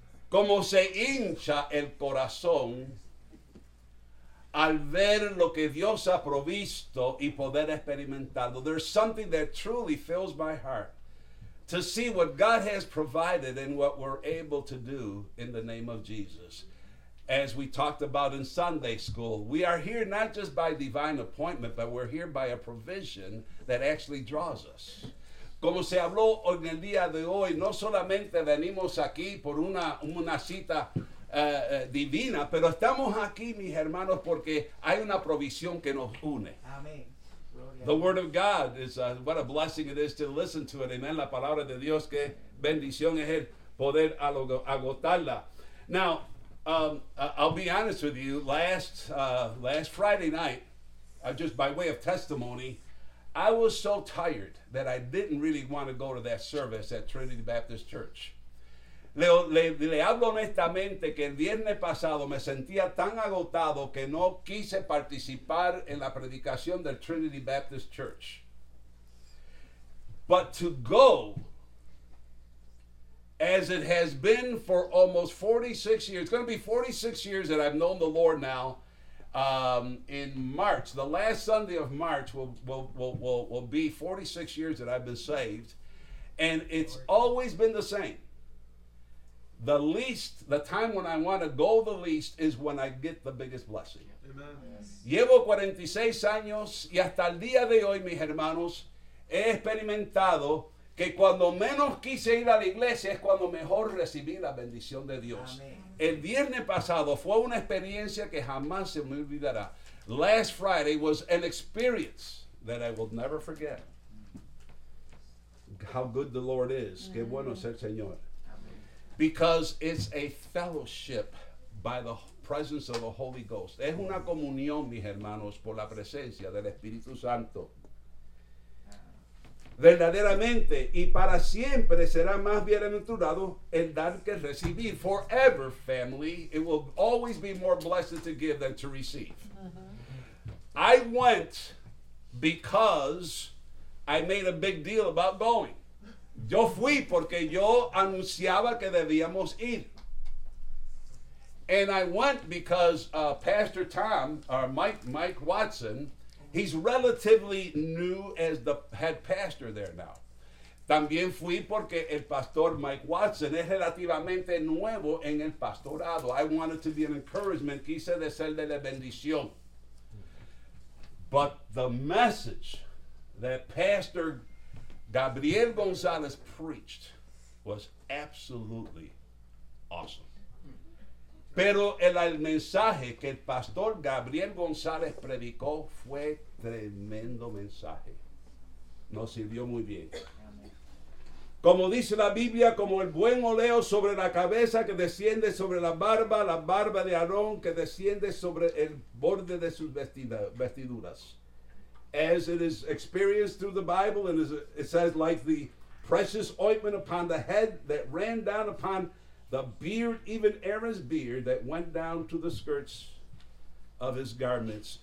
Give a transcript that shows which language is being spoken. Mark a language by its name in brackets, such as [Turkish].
[Spanish] Como se hincha el corazón al ver lo que Dios ha provisto y poder experimentarlo. [English] There's something that truly fills my heart to see what God has provided and what we're able to do in the name of Jesus. As we talked about in Sunday school, we are here not just by divine appointment, but we're here by a provision that actually draws us. [Spanish] Como se habló en el día de hoy, no solamente venimos aquí por una cita divina, pero estamos aquí, mis hermanos, porque hay una provisión que nos une. Amén. [English] The word of God is what a blessing it is to listen to it. [Spanish] Amen. La palabra de Dios, qué bendición es el poder agotarla. [English] Now, I'll be honest with you. Last Friday night, just by way of testimony, I was so tired that I didn't really want to go to that service at Trinity Baptist Church. [Spanish] Le hablo honestamente que el viernes pasado me sentía tan agotado que no quise participar en la predicación del Trinity Baptist Church. [English] But to go, as it has been for almost 46 years, it's going to be 46 years that I've known the Lord now, in March, the last Sunday of March will be 46 years that I've been saved, and it's always been the same. The time when I want to go the least is when I get the biggest blessing. Yeah. [Spanish] Llevo 46 años y hasta el día de hoy, mis hermanos, he experimentado que cuando menos quise ir a la iglesia es cuando mejor recibí la bendición de Dios. Amén. El viernes pasado fue una experiencia que jamás se me olvidará. [English] Last Friday was an experience that I will never forget. How good the Lord is. [Spanish] Qué bueno es el Señor. [English] Because it's a fellowship by the presence of the Holy Ghost. [Spanish] Es una comunión, mis hermanos, por la presencia del Espíritu Santo. Verdaderamente y para siempre será más bienaventurado el dar que recibir. [English] Forever, family, it will always be more blessed to give than to receive. Uh-huh. I went because I made a big deal about going. [Spanish] Yo fui porque yo anunciaba que debíamos ir. [English] And I went because Pastor Tom, or Mike Watson, he's relatively new as the head pastor there now. [Spanish] También fui porque el pastor Mike Watson es relativamente nuevo en el pastorado. [English] I wanted to be an encouragement. [Spanish] Quise decirle la bendición. [English] But the message that Pastor Gabriel Gonzalez preached was absolutely awesome. [Spanish] Pero el mensaje que el pastor Gabriel González predicó fue tremendo mensaje. Nos sirvió muy bien. Como dice la Biblia, como el buen óleo sobre la cabeza que desciende sobre la barba de Aarón que desciende sobre el borde de sus vestiduras. [English] As it is experienced through the Bible, and as it says, like the precious ointment upon the head that ran down upon the beard, even Aaron's beard that went down to the skirts of his garments.